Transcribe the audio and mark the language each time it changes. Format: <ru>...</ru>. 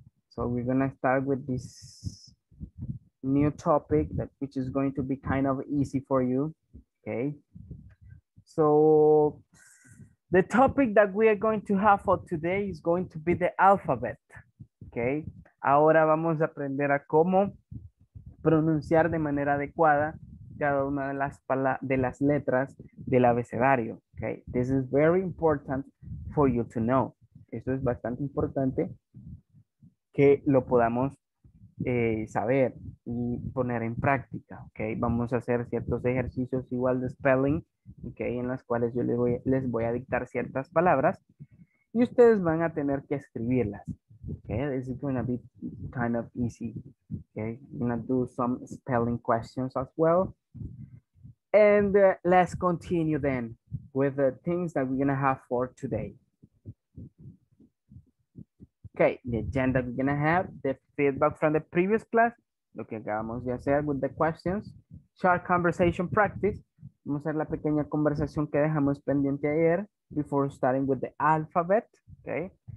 <en>So we're gonna start with this new topic that which is going to be kind of easy for you, okay? So the topic that we are going to have for today is going to be the alphabet, okay?</en> <es>Ahora vamos a aprender a cómo pronunciar de manera adecuada cada una de las letras del abecedario, okay?</es> <en>This is very important for you to know.</en> <es>Esto es bastante importante que lo podamos saber y poner en práctica, okay? Vamos a hacer ciertos ejercicios igual de spelling, okay? En las cuales yo les voy a dictar ciertas palabras y ustedes van a tener que escribirlas, okay?</es> <en>This is going to be kind of easy, okay? I'm going to do some spelling questions as well. And let's continue then with the things that we're going to have for today. Okay, the agenda we're going to have, the feedback from the previous class,</en> <es>lo que acabamos de hacer</es> <en>with the questions, short conversation practice,</en> <es>vamos a hacer la pequeña conversación que dejamos pendiente ayer</es> <en>before starting with the alphabet, okay?</en>